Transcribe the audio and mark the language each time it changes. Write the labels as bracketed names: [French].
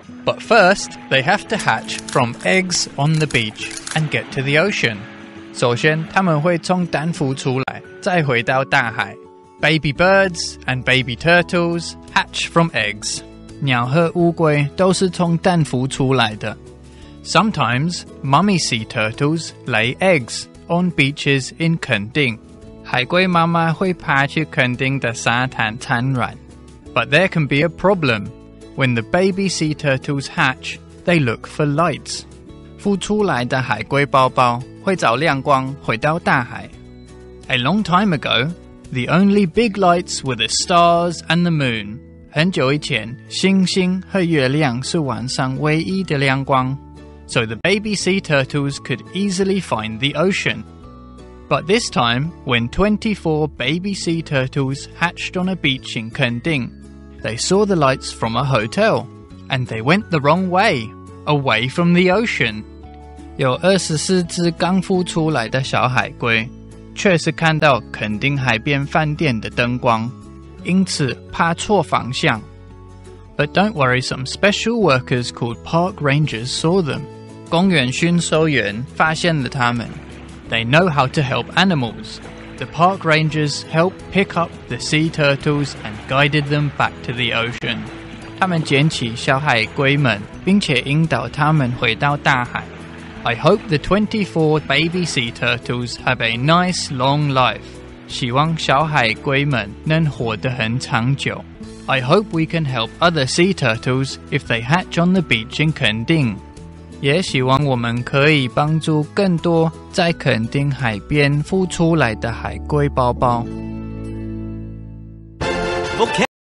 [English] But first, they have to hatch from eggs on the beach and get to the ocean. [Chinese] 首先，他们会从蛋孵出来，再回到大海。 [English] Baby birds and baby turtles hatch from eggs. [Chinese] 鸟和乌龟都是从蛋孵出来的。 [English] Sometimes, mummy sea turtles lay eggs on beaches in 垦丁。 [Chinese] 海龟妈妈会爬去垦丁的沙滩产卵。 [English] But there can be a problem. When the baby sea turtles hatch, they look for lights. [Chinese] 孵出来的海龟宝宝会找亮光回到大海。 [English] A long time ago, the only big lights were the stars and the moon. [Chinese] 很久以前，星星和月亮是晚上唯一的亮光。 [English] So the baby sea turtles could easily find the ocean. But this time, when 24 baby sea turtles hatched on a beach in 垦丁, they saw the lights from a hotel, and they went the wrong way, away from the ocean. [Chinese] 有24只刚孵出来的小海龟确实看到垦丁海边饭店的灯光，因此怕错方向。 [English] But don't worry, some special workers called park rangers saw them. [Chinese] 公园巡守员发现了他们。 [English] They know how to help animals. The park rangers helped pick up the sea turtles and guided them back to the ocean. [Chinese] 他们捡起小海龟们，并且引导他们回到大海。 [English] I hope the 24 baby sea turtles have a nice long life. [Chinese] 希望小海龟们能活得很长久。 [English] I hope we can help other sea turtles if they hatch on the beach in 垦丁。 [Chinese] 也希望我们可以帮助更多在垦丁海边孵出来的海龟宝宝。Okay.